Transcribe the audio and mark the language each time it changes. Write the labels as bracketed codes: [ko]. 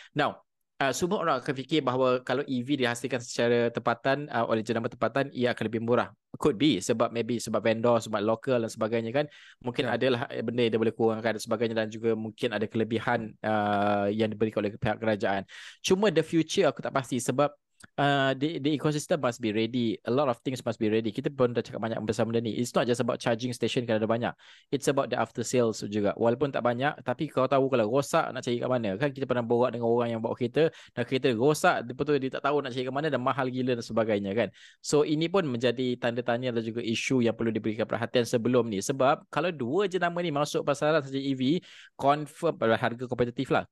[ms] Now, semua orang akan fikir bahawa kalau EV dihasilkan secara tepatan oleh jenama tepatan, ia akan lebih murah. [en] Could be [ms] sebab maybe sebab vendor, sebab lokal dan sebagainya kan. Mungkin adalah benda yang dia boleh kurangkan dan sebagainya, dan juga mungkin ada kelebihan yang diberikan oleh pihak kerajaan. [en] Cuma the future [ms] aku tak pasti sebab [en] the ecosystem must be ready. A lot of things must be ready. [ms] Kita pun dah cakap banyak pasal benda ni. [en] It's not just about charging station [ms] kan, ada banyak. [en] It's about the after sales juga. [ms] Walaupun tak banyak, tapi kau tahu kalau rosak nak cari kat mana. Kan kita pernah borak dengan orang yang bawa kereta dan kereta rosak, betul dia tak tahu nak cari kat mana dan mahal gila dan sebagainya kan. So ini pun menjadi tanda tanya dan juga isu yang perlu diberikan perhatian sebelum ni. Sebab kalau dua je nama ni masuk pasaran saja EV, confirm harga kompetitif lah.